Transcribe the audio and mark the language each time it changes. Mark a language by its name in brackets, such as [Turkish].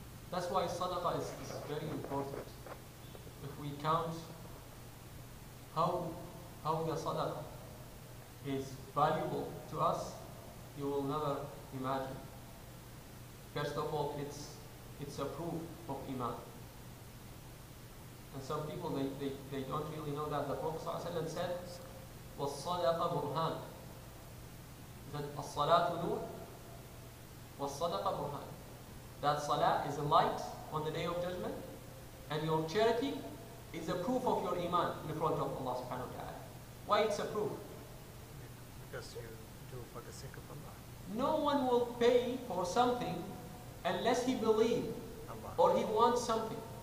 [English] That's why sadaqah is very important. If we count how the sadaqah is valuable to us, you will never imagine. First of all, it's a proof of iman. And some people, they don't really know that. The Prophet ﷺ said, [Arabic] وَالصَّدَقَ burhan. That الصَّلَاةُ نُورٌ وَالصَّدَقَ burhan. [English] That salah is a light on the Day of Judgment, and your charity is a proof of your iman in front of Allah subhanahu wa ta'ala. Why it's a proof? Because you do for the sake of Allah. No one will pay for something unless he believes or he wants something.